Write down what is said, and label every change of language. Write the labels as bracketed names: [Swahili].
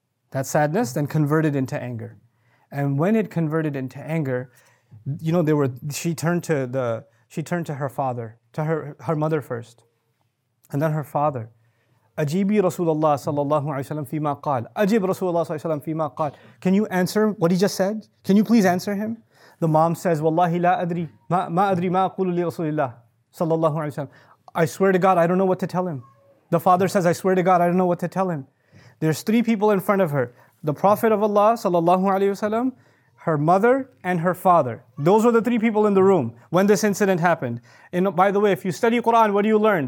[English] that sadness, then convert it into anger. And when it converted into anger, you know, there were, she turned to her father, to her mother first, and then her father. [Arabic] أَجِيبِي رَسُولَ اللَّهِ صَلَّى اللَّهُ عَلَيْهِ وَسَلَّمْ فِي مَا قَالْ أَجِيبْ رَسُولَ اللَّهِ صَلَّى اللَّهُ عَلَيْهِ وَسَلَّمْ فِي مَا قَالْ. [English] Can you answer what he just said? Can you please answer him? The mom says, [Arabic] وَاللَّهِ لَا أَدْرِي مَا أَدْرِي مَا أَقُولُ لِرَسُولِ اللَّهِ صَلَّى اللَّهُ عَلَيْهِ وَسَلَّمْ. [English] I swear to God, I don't know what to tell him. The father says, I swear to God, I don't know what to tell him. There's three people in front of her. The Prophet of Allah, sallallahu alayhi wasallam, her mother and her father. Those were the three people in the room when this incident happened. And by the way, if you study Quran, what do you learn?